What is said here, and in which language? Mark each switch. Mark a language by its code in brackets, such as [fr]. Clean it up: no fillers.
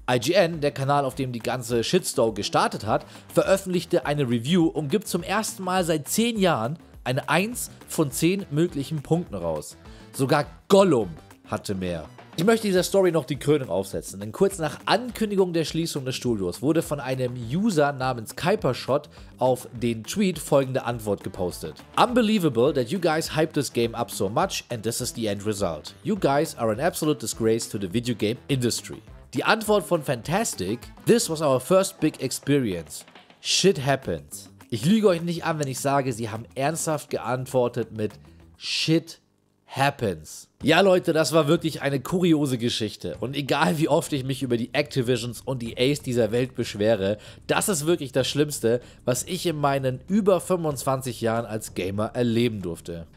[de] IGN, der Kanal, auf dem die ganze Shitstorm gestartet hat, veröffentlichte eine Review und gibt zum ersten Mal seit 10 Jahren eine 1 von 10 möglichen Punkten raus. Sogar Gollum hatte mehr. Ich möchte dieser Story noch die Krönung aufsetzen, denn kurz nach Ankündigung der Schließung des Studios wurde von einem User namens KuiperShot auf den Tweet folgende Antwort gepostet. [en] Unbelievable that you guys hype this game up so much and this is the end result. You guys are an absolute disgrace to the video game industry. [de] Die Antwort von Fantastic, [en] this was our first big experience. Shit happens. [de] Ich lüge euch nicht an, wenn ich sage, sie haben ernsthaft geantwortet mit [en] Shit happens. [de] Ja Leute, das war wirklich eine kuriose Geschichte und egal wie oft ich mich über die Activisions und die EAs dieser Welt beschwere, das ist wirklich das Schlimmste, was ich in meinen über 25 Jahren als Gamer erleben durfte.